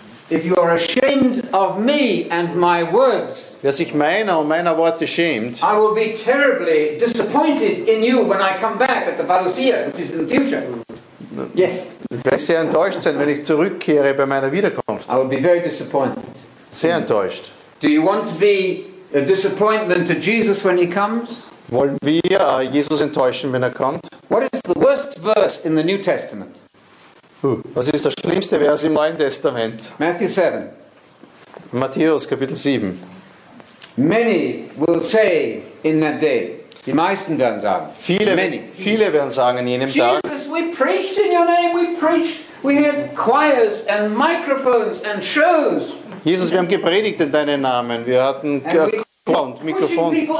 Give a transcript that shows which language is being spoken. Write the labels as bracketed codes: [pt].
[en] if you are ashamed of me and my words, [de] wer sich meiner und meiner Worte schämt, [en] I will be terribly disappointed in you when I come back at the Parousia, which is in the future. Yes. [de] Ich werde sehr enttäuscht sein, wenn ich zurückkehre bei meiner Wiederkunft. [en] I will be very disappointed. [de] Sehr enttäuscht. [en] Do you want to be a disappointment to Jesus when he comes? [de] Wollen wir Jesus enttäuschen, wenn er kommt? [en] What is the worst verse in the New Testament? [de] Was ist der schlimmste Vers im Neuen Testament? [en] Matthew 7. [de] Matthäus Kapitel 7. [en] Many will say in that day. [de] Die meisten werden sagen. Viele werden sagen in jenem Jesus, Tag. [en] Jesus, we preached in your name. We preached. We had choirs and microphones and shows. [de] Jesus, wir haben gepredigt in deinem Namen. Wir hatten und Mikrofon.